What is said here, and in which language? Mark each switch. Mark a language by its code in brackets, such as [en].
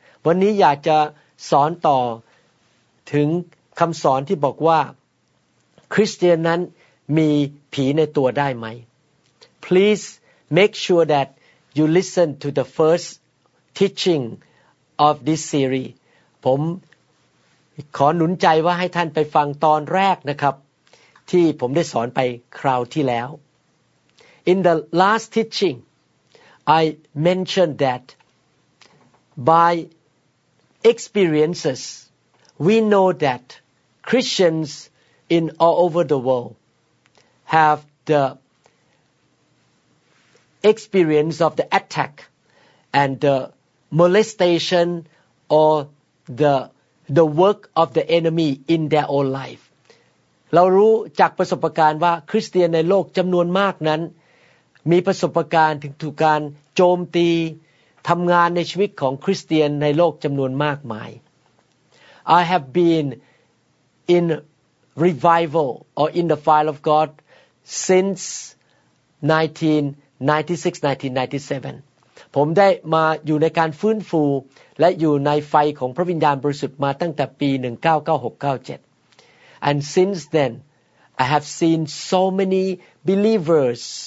[th] วันนี้อยากจะสอนต่อถึงคำสอนที่บอกว่าคริสเตียนนั้นมีผีในตัวได้ไหม [en] Please make sure that you listen to the first teaching of this series. [th] ผมขอหนุนใจว่าให้ท่านไปฟังตอนแรกนะครับที่ผมได้สอนไปคราวที่แล้ว [en] In the last teaching, I mentioned thatBy experiences, we know that Christians in all over the world have the experience of the attack and the molestation or the work of the enemy in their own life. [th] เรารู้จากประสบการณ์ว่าคริสเตียนในโลกจำนวนมากนั้นมีประสบการณ์ถึงถูกการโจมตีทำงานในชีวิตของคริสเตียนในโลกจำนวนมากมาย [en] I have been in revival or in the fire of God since 1996-1997 [th] ผมได้มาอยู่ในการฟื้นฟูและอยู่ในไฟของพระวิญญาณบริสุทธิ์มาตั้งแต่ปี 1996-97 [en] And since then I have seen so many believers